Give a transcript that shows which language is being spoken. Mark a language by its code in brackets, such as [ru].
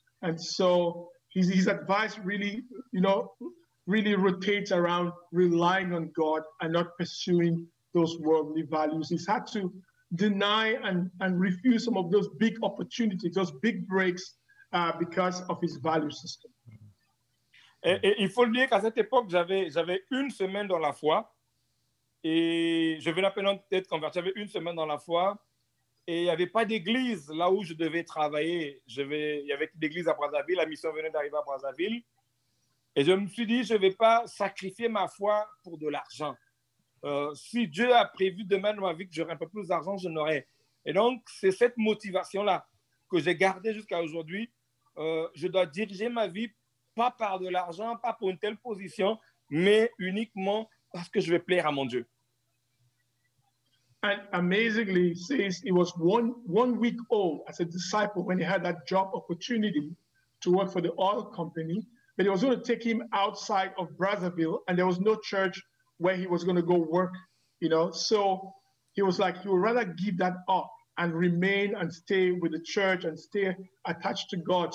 [en] And so his advice really, you know, really rotates around relying on God and not pursuing those worldly values. He's had to deny and refuse some of those big opportunities, those big breaks, because of his value system. [fr] Et il faut le dire qu'à cette époque, j'avais une semaine dans la foi. Et je venais à peine d'être converti, j'avais une semaine dans la foi. Et il n'y avait pas d'église là où je devais travailler. Il y avait une église à Brazzaville, la mission venait d'arriver à Brazzaville. Et je me suis dit, je ne vais pas sacrifier ma foi pour de l'argent. Si Dieu a prévu demain dans ma vie que j'aurai un peu plus d'argent, je n'aurai. Et donc, c'est cette motivation-là que j'ai gardée jusqu'à aujourd'hui. Je dois diriger ma vie, pas par de l'argent, pas pour une telle position, mais uniquement parce que je vais plaire à mon Dieu. [en] And amazingly, since he was one week old as a disciple when he had that job opportunity to work for the oil company, but it was going to take him outside of Brazzaville and there was no church where he was going to go work, you know. So he was like, he would rather give that up and remain and stay with the church and stay attached to God.